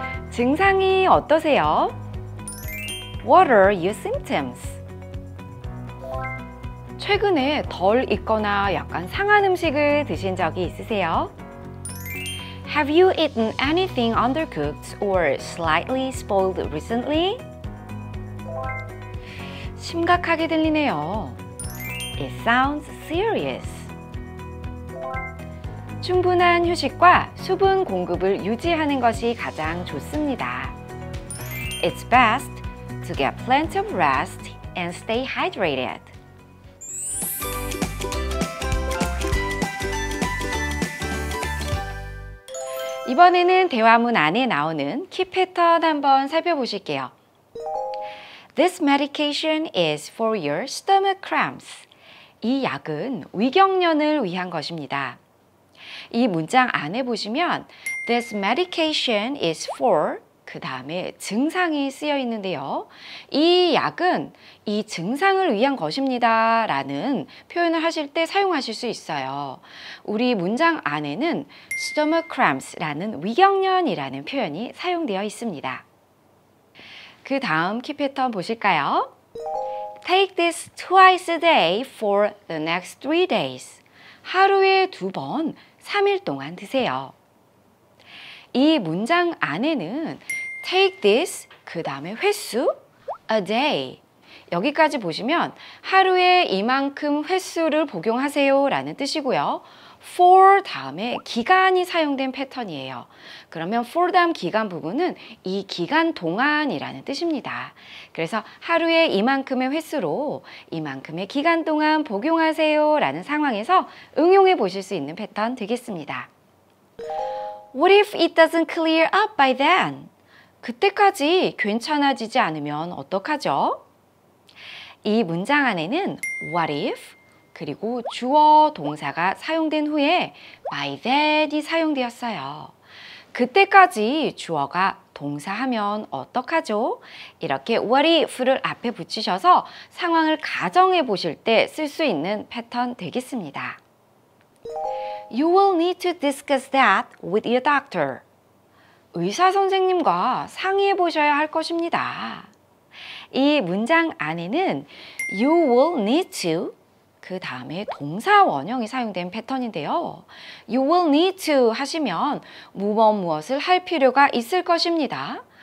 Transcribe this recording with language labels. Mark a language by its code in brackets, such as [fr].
[ko] 증상이 어떠세요? [en] What are your symptoms? [ko] 최근에 덜 익거나 약간 상한 음식을 드신 적이 있으세요? [en] Have you eaten anything undercooked or slightly spoiled recently? [ko] 심각하게 들리네요. [en] It sounds serious. [ko] 충분한 휴식과 수분 공급을 유지하는 것이 가장 좋습니다. [en] It's best to get plenty of rest and stay hydrated. [ko] 이번에는 대화문 안에 나오는 키 패턴 한번 살펴보실게요. [en] This medication is for your stomach cramps. [ko] 이 약은 위경련을 위한 것입니다. 이 문장 안에 보시면 [en] This medication is for [ko] 그 다음에 증상이 쓰여 있는데요. 이 약은 이 증상을 위한 것입니다 라는 표현을 하실 때 사용하실 수 있어요. 우리 문장 안에는 stomach cramps 라는 위경련이라는 표현이 사용되어 있습니다. 그 다음 키 패턴 보실까요? [en] Take this twice a day for the next 3 days. [ko] 하루에 두 번, 3일 동안 드세요. 이 문장 안에는 [en] take this, [ko] 그 다음에 횟수, a day. 여기까지 보시면 하루에 이만큼 횟수를 복용하세요 라는 뜻이고요. for 다음에 기간이 사용된 패턴이에요. 그러면 for 다음 기간 부분은 이 기간 동안이라는 뜻입니다. 그래서 하루에 이만큼의 횟수로 이만큼의 기간 동안 복용하세요 라는 상황에서 응용해 보실 수 있는 패턴 되겠습니다. [en] What if it doesn't clear up by then? [ko] 그때까지 괜찮아지지 않으면 어떡하죠? 이 문장 안에는 [en] what if [ko] 그리고 주어 동사가 사용된 후에 [en] by then [ko] 이 사용되었어요. 그때까지 주어가 동사하면 어떡하죠? 이렇게 what if를 앞에 붙이셔서 상황을 가정해 보실 때 쓸 수 있는 패턴 되겠습니다. [en] You will need to discuss that with your doctor. [ko] 의사 선생님과 상의해 보셔야 할 것입니다. 이 문장 안에는 [en] you will need to [ko] 그 다음에 동사 원형이 사용된 패턴인데요. [en] You will need to [ko] 하시면 무엇무엇을 할 필요가 있을 것입니다.